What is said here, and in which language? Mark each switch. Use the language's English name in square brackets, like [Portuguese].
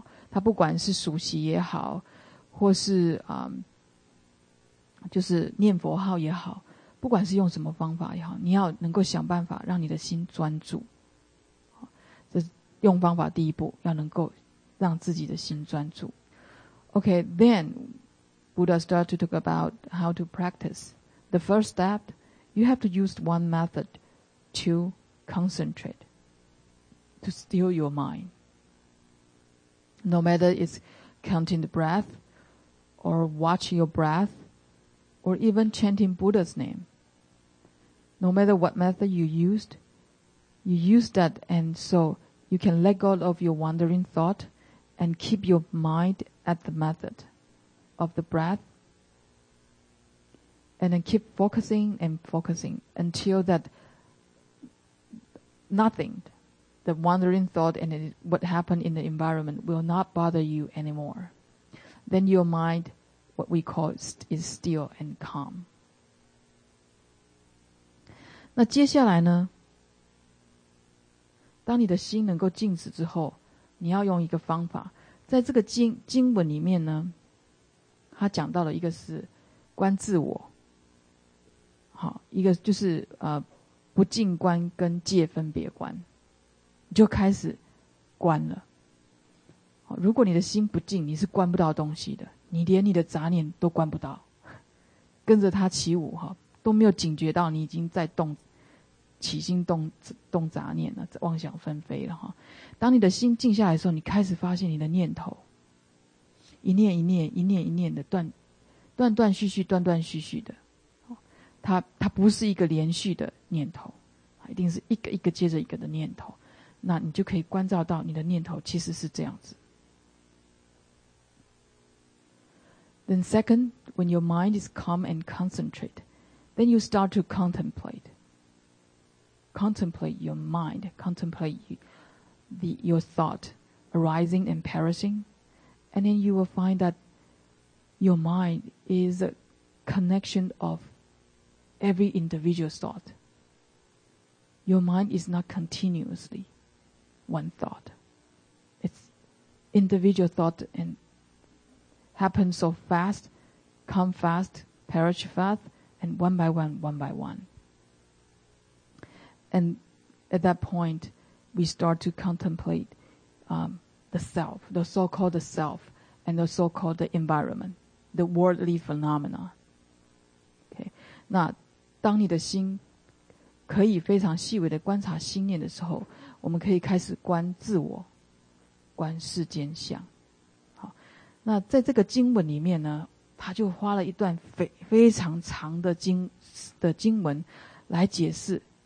[Chinese] 他不管是熟悉也好，或是就是念佛号也好，不管是用什么方法也好，你要能够想办法让你的心专注。这是用方法第一步，要能够让自己的心专注。 [English] Okay, then Buddha started to talk about how to practice. The first step, you have to use one method to concentrate, to still your mind. No matter it's counting the breath, or watching your breath, or even chanting Buddha's name. No matter what method you use that, and so you can let go of your wandering thought and keep your mind at the method of the breath, and then keep focusing and focusing until that nothing, the wandering thought and what happened in the environment will not bother you anymore. Then your mind, what we call, is still and calm. [Chinese] 那接下来呢，当你的心能够静止之后，你要用一个方法。在这个 经文里面呢，他讲到了一个是观自我，好，一个就是不净观跟戒分别观，你就开始观了。好，如果你的心不净，你是观不到东西的，你连你的杂念都观不到，跟着他起舞哈，都没有警觉到你已经在动起心 动杂念了，妄想纷飞了哈。当你的心静下来的时候，你开始发现你的念头，一念一念，一念一念的断断续续，断断续续的，它不是一个连续的念头，一定是一个一个接着一个的念头。那你就可以观照到你的念头其实是这样子。 [English] Then second, when your mind is calm and concentrate, then you start to contemplate. Contemplate your mind, contemplate your thought arising and perishing, and then you will find that your mind is a connection of every individual's thought. Your mind is not continuously one thought. It's individual thought and happens so fast, come fast, perish fast, and one by one, one by one. And at that point,we start to contemplate the self, the so-called self, and the so-called environment, the worldly phenomena. [Chinese] Okay, 那当你的心可以非常细微的观察心念的时候，我们可以开始观自我，观世间相。好，那在这个经文里面呢，他就花了一段非常长的经文来解释。